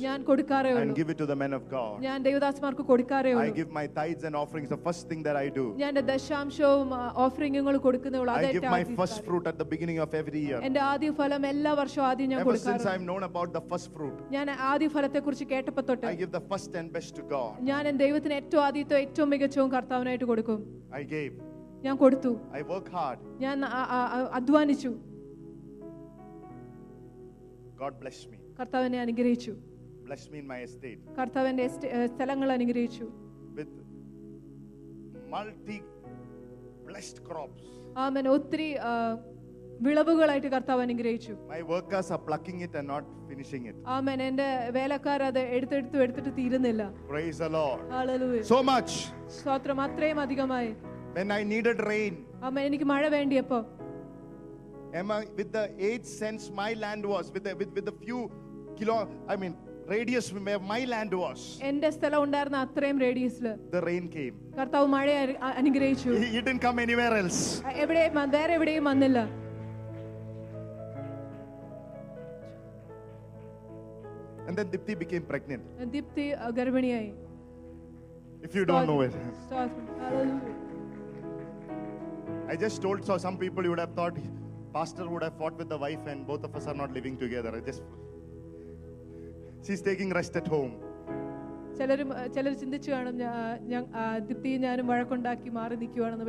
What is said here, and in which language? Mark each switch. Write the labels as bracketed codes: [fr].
[en] And give it to the men of God. I give my tithes and offerings, the first thing that I do. I give my first fruit at the beginning of every year. Ever since I've known about the first fruit, I give the first and best to God. [ml] ദൈവത്തിന് ഏറ്റവും ആദ്യത്തെ ഏറ്റവും മികച്ചവും കർത്താവിനായിട്ട് കൊടുക്കും. [en] I gave. [ml] ഞാൻ കൊടുത്തു. [en] I work hard. [ml] ഞാൻ അധ്വാനിച്ചു. [en] God bless me. [ml] കർത്താവ് എന്നെ അനുഗ്രഹിച്ചു. [en] Bless me in my estate. [ml] കർത്താവ് എന്റെ സ്ഥലങ്ങൾ അനുഗ്രഹിച്ചു. [en] With multi blessed crops. [ml] ആമേൻ. ഒത്തിരി വിളവുകളായിട്ട് കർത്താവ് അനുഗ്രഹിച്ചു. [en] My workers are plucking it and not finishing it. [ml] ആമേൻ. എന്റെ വേലക്കാർ അത് എടുത്തെടുത്ത് തീരുന്നില്ല. [en] Praise the Lord. Hallelujah. So much. [ml] സ്തോത്രം. അത്രയും അധികമായി. [en] When I needed rain. [ml] ആമേൻ. എനിക്ക് മഴ വേണ്ടിയപ്പോ. [en] With the 8 cents my land was, with the few kilo, I mean radius where my land was, [ml] എന്റെ സ്ഥലം ഉണ്ടായിരുന്ന അത്രയും റേഡിയസില് [en] the rain came. [ml] കർത്താവ് മഴ അനുഗ്രഹിച്ചു. [en] He didn't come anywhere else. [ml] വേറെ എവിടെയും വന്നില്ല. [en] And then Dipti became pregnant. [ml] And Dipti garbhiniyayi. [en] If you don't know it. Hallelujah. I just told, so some people you would have thought pastor would have fought with the wife and both of us are not living together. She's taking rest at home. [ml] ചിലര് ചിന്തിച്ചു കാണും ദീപ്തിയും ഞാനും വഴക്കുണ്ടാക്കി മാറി നിൽക്കുവാണെന്ന്.